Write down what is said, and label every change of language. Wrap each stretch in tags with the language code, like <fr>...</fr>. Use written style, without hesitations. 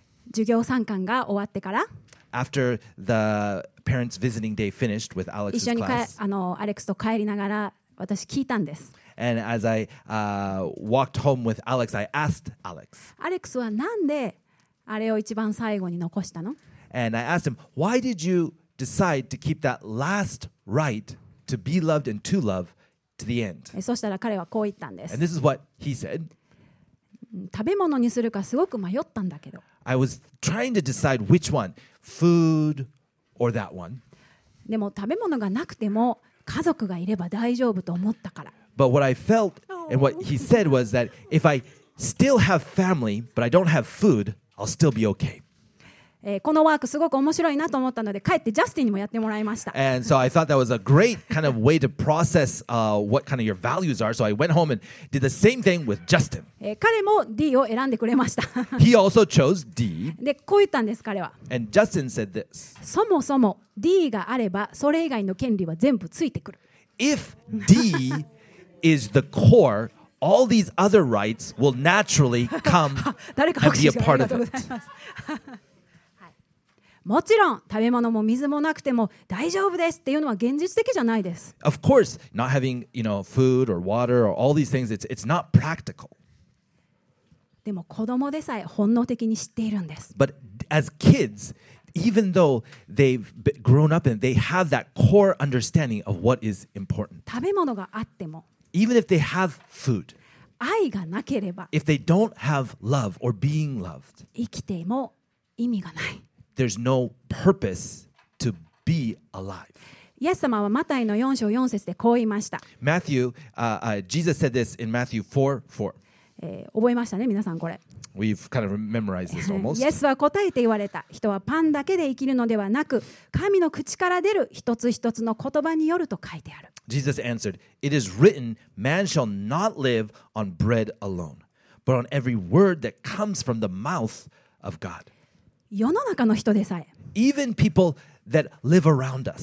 <ja>授業参観が終わってから、</ja> <en>After the parents visiting day finished with Alex's class,</en> <ja>一緒にアレックスと帰りながら私聞いたんです。</ja> <en>And as I walked home with Alex, I asked Alex,</en> <ja>アレックスはなんであれを一番最後に残したの？</ja> <en>And I asked him, why did you decide to keep that last right to be loved and to love to the end?</en> <ja>そしたら彼はこう言ったんです。</ja> <en>And this is what he said.</en> <ja>食べ物にするかすごく迷ったんだけど。</ja> <en>I was trying to decide which one, food or that one.</en> <ja>でも食べ物がなくても家族がいれば大丈夫と思ったから。</ja> <en>But what I felt and what he said was that if I still have family but I don't have food,I'll still be okay.</en> <ja>このワークすごく面白いなと思ったので帰ってジャスティンにもやってもらいました。</ja> <en>And so I thought that was a great kind of way to process what kind of your values are. So I went home and did the same thing with Justin.</en> <ja>彼も D を選んでくれました。</ja> <en>He also chose D.</en> <ja>でこう言ったんです彼は。</ja> <en>And Justin said this.</en> <ja>そもそも D があればそれ以外の権利は全部ついてくる。</ja> <en>If D is the core,All these other rights will naturally come and be a part of it.</en> <ja>もちろん食べ物も水もなくても大丈夫ですっていうのは現実的じゃないです。</ja> <en>Of course, not having, you know, food or water or all these things, it's not practical.</en> <ja>でも子供でさえ本能的に知っているんです。</ja> <en>But as kids, even though they've grown up and they have that core understanding of what is important.</en> <ja>食べ物があっても。</ja> <en>Even if they have food,</en> <ja>愛がなければ</ja> <en>if they don't have love or being loved,</en> <ja>生きても意味がない</ja> <en>there's no purpose to be alive.</en> <ja>イエス様はマタイの4章4節でこう言いました。</ja> <en>Matthew, Jesus said this in Matthew 4:4.</en> <ja>覚えましたね、皆さんこれ。</ja> <en>We've kind of memorized this almost.</en> <ja>イエスは答えて言われた。人はパンだけで生きるのではなく、神の口から出る一つ一つの言葉によると書いてある。</ja> <en>Jesus answered, It is written, man shall not live on bread alone, but on every word that comes from the mouth of God.</en> <ja>世の中の人でさえ、</ja> <en>Even people that live around us,</en>